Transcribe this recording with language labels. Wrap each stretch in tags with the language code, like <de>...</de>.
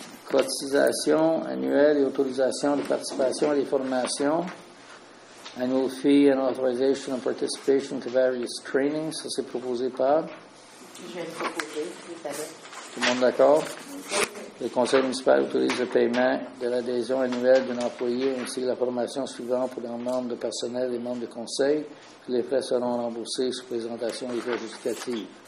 <fr>cotisation annuelle et autorisation de participation à des formations.</fr> <en>Annual fee and authorization of participation to various trainings.</en> <fr>Ça, c'est proposé par. Je vais le proposer, tout à l'heure. Tout le monde d'accord? Okay. Le conseil municipal autorise le paiement de l'adhésion annuelle d'un employé ainsi que la formation suivante pour les membres de personnel et membres de conseil. Les frais seront remboursés sous présentation des frais justificatifs.</fr>